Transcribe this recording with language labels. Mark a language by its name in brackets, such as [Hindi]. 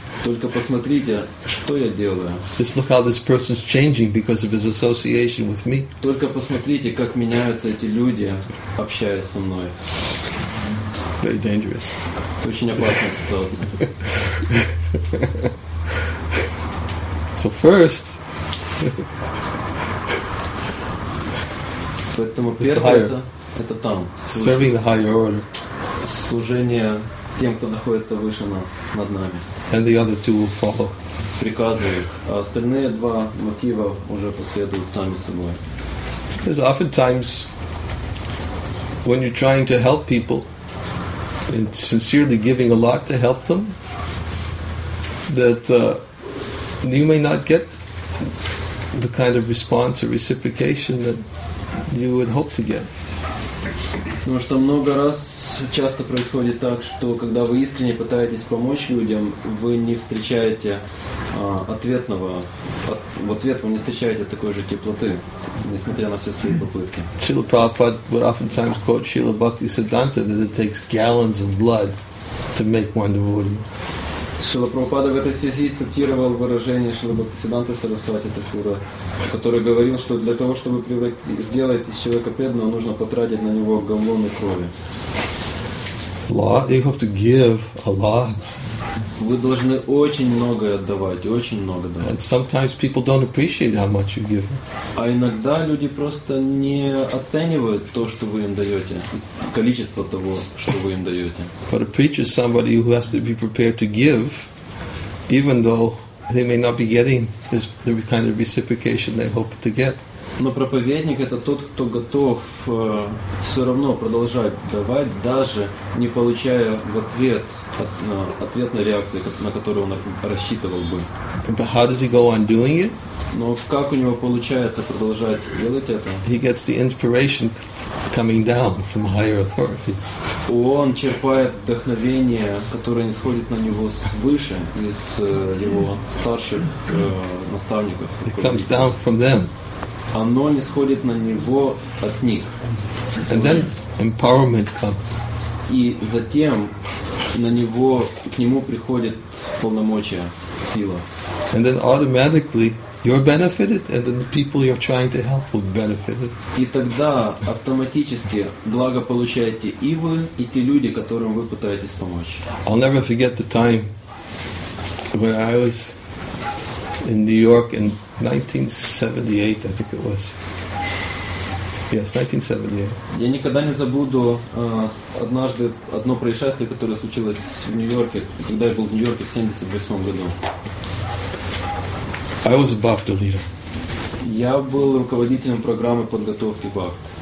[Russian] Только посмотрите, что я делаю. [English] Just look how this person's changing because of his association with me. [Russian] Только посмотрите, как меняются эти люди, общаясь со мной. [English] Very dangerous. [Russian] Это очень опасная ситуация. [English] So first. [Russian] Поэтому первое это там. [English] Serving the higher order. [Russian] Служение тем, кто находится выше нас, над нами. [English] And the other two will follow. [Russian] Приказываю их. А остальные два мотива уже последуют сами собой. [English] Because oftentimes, when you're trying to help people, and sincerely giving a lot to help them, that you may not get the kind of response or reciprocation that you would hope to get. [Russian] Потому что много раз часто происходит так, что когда вы искренне пытаетесь помочь людям, вы не встречаете в ответ вы не встречаете такой же теплоты, несмотря на все свои попытки. [English] Srila Prabhupada would oftentimes quote Srila Bhakti Siddhanta that it takes gallons of blood to make one devotee. [Russian] Шрила Прабхупада в этой связи цитировал выражение Шрила Бхактисиддханты Сарасвати Тхакура, который говорил, что для того, чтобы сделать из человека преданного, нужно потратить на него галлоны крови. [English] You have to give a lot. [Russian] Вы должны очень многое отдавать, очень много давать. [English] And sometimes people don't appreciate how much you give. [Russian] А иногда люди просто не оценивают то, что вы им даете, количество того, что вы им даете. [English] But a preacher is somebody who has to be prepared to give, even though they may not be getting the kind of reciprocation they hope to get. [Russian] Но проповедник это тот, кто готов все равно продолжать давать, даже не получая в ответ ответной реакции, на которую он рассчитывал бы. [English] But how does he go on doing it? [Russian] Но как у него получается продолжать делать это? [English] He gets the inspiration coming down from higher authorities. [Russian] Он черпает вдохновение, которое нисходит на него свыше, из его старших наставников. [English] It comes down from them. [Russian] Оно нисходит на него от них. [English] And then empowerment comes. [Russian] И затем на него, к нему приходит полномочия, сила. [English] And then automatically you're benefited, and then the people you're trying to help will be benefited. [Russian] И тогда автоматически благо получаете и вы, и те люди, которым вы пытаетесь помочь. [English] I'll never forget the time when I was in New York in 1978, I think it was. Yes, 1978. [Russian] Я никогда не забуду однажды одно происшествие, которое случилось в Нью-Йорке, когда я был в Нью-Йорке в 78 году. [English] I was a Bhakta leader. [Russian] Я был руководителем программы подготовки Бхакт.